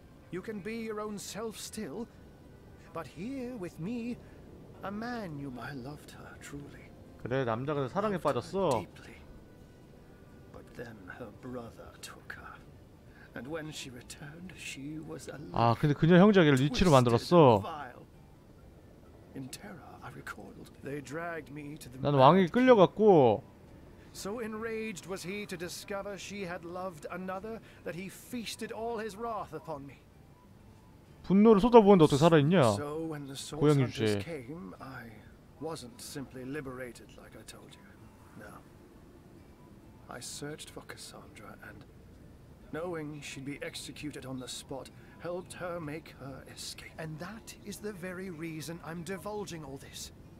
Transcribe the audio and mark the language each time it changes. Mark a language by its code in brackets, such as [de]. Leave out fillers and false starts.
[en] You can be your own self still, but here with me, a man you my loved her truly. [ko] 그래 남자가 사랑에 빠졌어. [en] But then her brother took her, and when she returned, she was a. [ko] 아 근데 그녀 형제를 리치로 만들었어. [en] In terror, I recoiled. They dragged me to the. [ko] 난 왕에게 끌려갔고. [en] So enraged was he to discover she had loved another that he feasted all his wrath upon me. [ko] 분노를 쏟아부었는데 어떻게 살아있냐? [en] So when the sorceress came, I wasn't simply liberated like I told you. No. I searched for Cassandra and knowing she'd be executed on the spot, helped her make her escape. And that is the very reason I'm divulging all this.